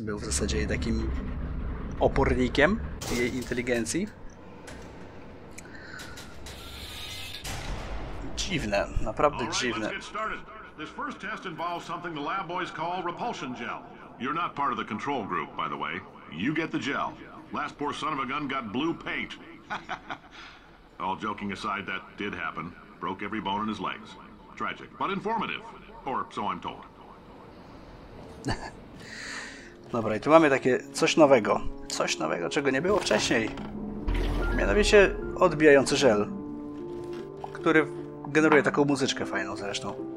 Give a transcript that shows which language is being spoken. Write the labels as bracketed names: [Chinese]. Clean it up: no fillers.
[Polish] Był w zasadzie jej takim opornikiem jej inteligencji. Dziwne, naprawdę dziwne. [English] This first test involves something the lab boys call repulsion gel. You're not part of the control group, by the way. You get the gel. Last poor son of a gun got blue paint. All joking aside, that did happen. Broke every bone in his legs. Tragic, but informative. Or so I'm told. [Polish] Dobra, i tu mamy takie coś nowego. Coś nowego, czego nie było wcześniej. Mianowicie odbijający żel. Który generuje taką muzyczkę fajną zresztą.